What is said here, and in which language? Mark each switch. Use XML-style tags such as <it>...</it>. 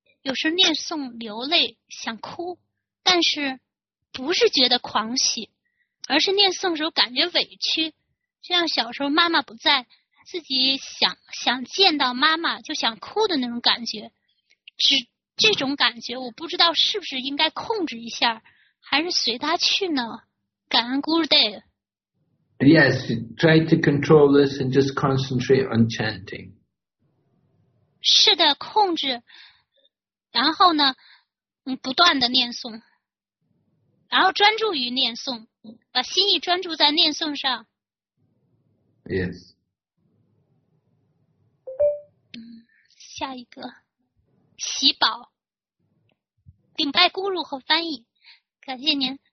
<zh>有时念诵流泪想哭，但是不是觉得狂喜，而是念诵的时候感觉委屈，就像小时候妈妈不在，自己想见到妈妈就想哭的那种感觉。只这种感觉，我不知道是不是应该控制一下，还是随他去呢？感恩 Gurudev。</zh> <en>Yes, try to control this and just concentrate on chanting.</en> <zh>是的，控制。然后呢，不断的念诵，然后专注于念诵，把心意专注在念诵上。</zh> <en>Yes.</en> <zh>下一个，喜宝，顶拜咕噜和翻译，感谢您。</zh>